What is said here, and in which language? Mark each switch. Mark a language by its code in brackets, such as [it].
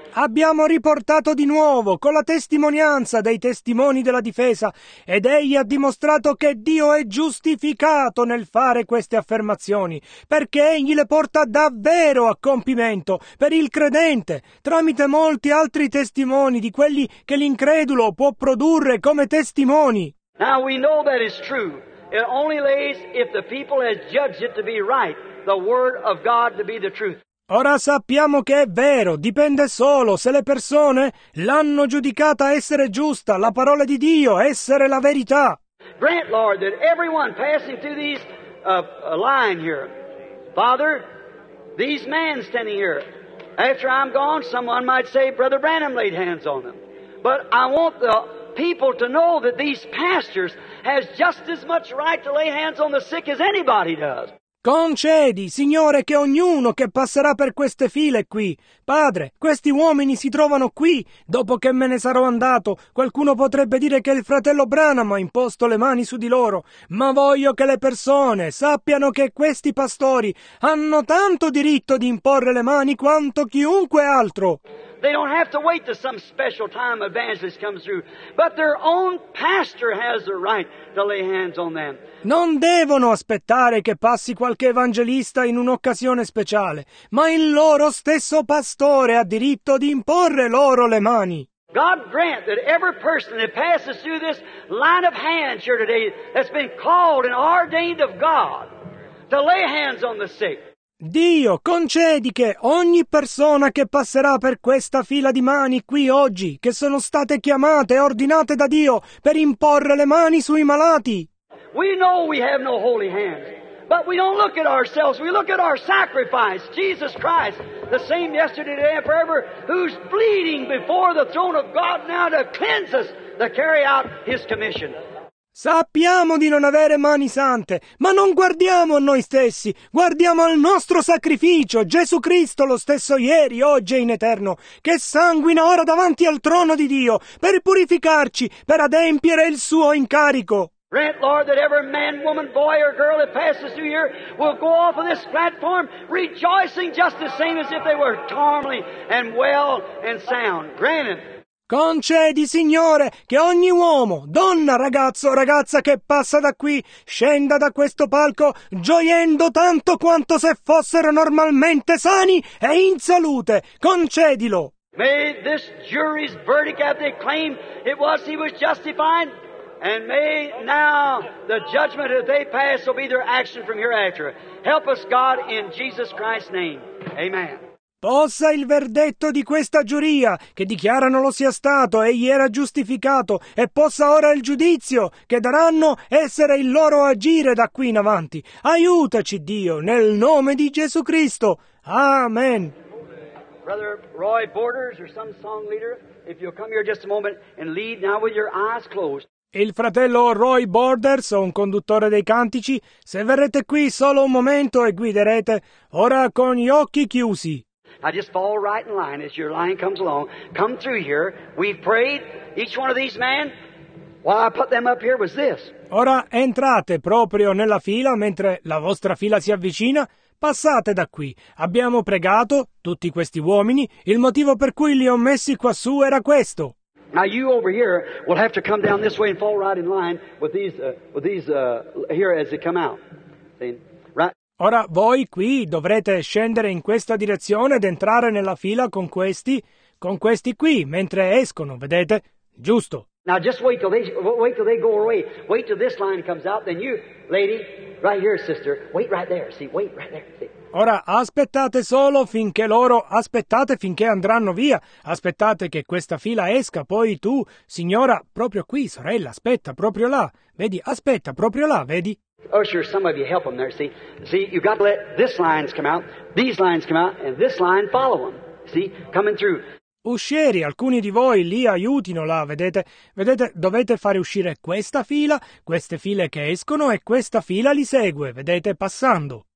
[it] Abbiamo riportato di nuovo con la testimonianza dei testimoni della difesa ed egli ha dimostrato che Dio è giustificato nel fare queste affermazioni perché egli le porta davvero a compimento per il credente tramite molti altri testimoni di quelli che l'incredulo può produrre come testimoni. [en] Now we know that is true. It only lays if the people has judged it to be right, the word of God to be the truth. [it] Ora sappiamo che è vero, dipende solo se le persone l'hanno giudicata essere giusta, la parola di Dio essere la verità. [en] Grant, Lord, that everyone passing through these line here, Father, these men standing here, after I'm gone, someone might say, Brother Branham laid hands on them. But I want the people to know that these pastors has just as much right to lay hands on the sick as anybody does. [it] Concedi, Signore, che ognuno che passerà per queste file qui Padre, questi uomini si trovano qui. Dopo che me ne sarò andato, qualcuno potrebbe dire che il fratello Branham ha imposto le mani su di loro. Ma voglio che le persone sappiano che questi pastori hanno tanto diritto di imporre le mani quanto chiunque altro. [en] They don't have to wait till some special time evangelist comes through, but their own pastor has the right to lay hands on them. [it] Non devono aspettare che passi qualche evangelista in un'occasione speciale, ma il loro stesso pastore ha diritto di imporre loro le mani. [en] God grant that every person that passes through this line of hands here today that's been called and ordained of God to lay hands on the sick. [it] Dio, concedi che ogni persona che passerà per questa fila di mani qui oggi, che sono state chiamate e ordinate da Dio per imporre le mani sui malati. [en] We know we have no holy hands, but we don't look at ourselves, we look at our sacrifice, Jesus Christ, the same yesterday, today and forever, who's bleeding before the throne of God now to cleanse us, to carry out His commission. [it] Sappiamo di non avere mani sante, ma non guardiamo a noi stessi, guardiamo al nostro sacrificio, Gesù Cristo, lo stesso ieri, oggi e in eterno, che sanguina ora davanti al trono di Dio per purificarci, per adempiere il suo incarico. [en] Grant, Lord, that every man, woman, boy or girl that passes through here will go off of this platform rejoicing just the same as if they were normally and well and sound. Grant it. [it] Concedi, Signore, che ogni uomo, donna, ragazzo o ragazza che passa da qui, scenda da questo palco gioiendo tanto quanto se fossero normalmente sani e in salute. Concedilo. [en] May this jury's verdict, as they claim it was, he was justified, and may now the judgment that they pass will be their action from hereafter. Help us, God, in Jesus Christ's name. Amen. [it] Possa il verdetto di questa giuria, che dichiara non lo sia stato, egli era giustificato, e possa ora il giudizio che daranno essere il loro agire da qui in avanti. Aiutaci, Dio, nel nome di Gesù Cristo. Amen. [en] Brother Roy Borders, or some song leader, if you'll come here just a moment and lead now with your eyes closed. [it] Il fratello Roy Borders, un conduttore dei cantici, se verrete qui solo un momento e guiderete, ora con gli occhi chiusi. [en] Now just fall right in line as your line comes along. Come through here. We've prayed, each one of these men. Why I put them up here was this. [it] Ora entrate proprio nella fila mentre la vostra fila si avvicina. Passate da qui. Abbiamo pregato, tutti questi uomini. Il motivo per cui li ho messi quassù era questo. [en] Now you over here will have to come down this way and fall right in line with these here as they come out. See? [it] Ora voi qui dovrete scendere in questa direzione ed entrare nella fila con questi qui, mentre escono, vedete? Giusto. [en] Now just wait till they go away. Wait till this line comes out, then you, lady, right here, sister, wait right there, see, wait right there, see. [it] Ora aspettate solo finché loro, aspettate finché andranno via, aspettate che questa fila esca, poi tu, signora, proprio qui, sorella, aspetta, proprio là, vedi, aspetta, proprio là, vedi? [en] Usher, some of you help them there, see? See, you've got to let this lines come out, these lines come out, and this line follow them. See, coming through. [it] Uscieri, alcuni di voi lì aiutino là, vedete? Vedete, dovete fare uscire questa fila, queste file che escono, e questa fila li segue, vedete, passando.